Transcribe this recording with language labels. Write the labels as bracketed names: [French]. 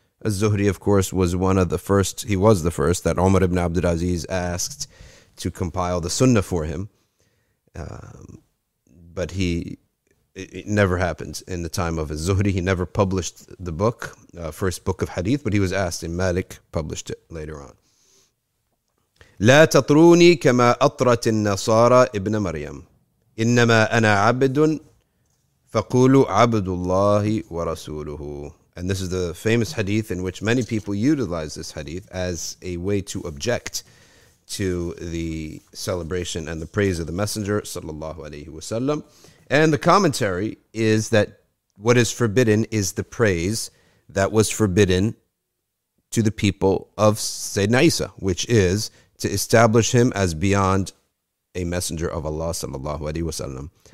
[English] الزُّهْرِي, of course, was one of the first, he was the first that Umar ibn Abdul Aziz asked to compile the sunnah for him. But he, it never happened in the time of his Zuhri. He never published the book, first book of hadith, but he was asked, and Malik published it later on. [Arabic] لا تطروني كما أطرت النصارى ابن مريم إنما أنا عبد فقولوا عبد الله ورسوله. [English] And this is the famous hadith in which many people utilize this hadith as a way to object to the celebration and the praise of the Messenger sallallahu alaihi wasallam. And the commentary is that what is forbidden is the praise that was forbidden to the people of Sayyidina Isa, which is to establish him as beyond a messenger of Allah sallallahu alaihi wasallam.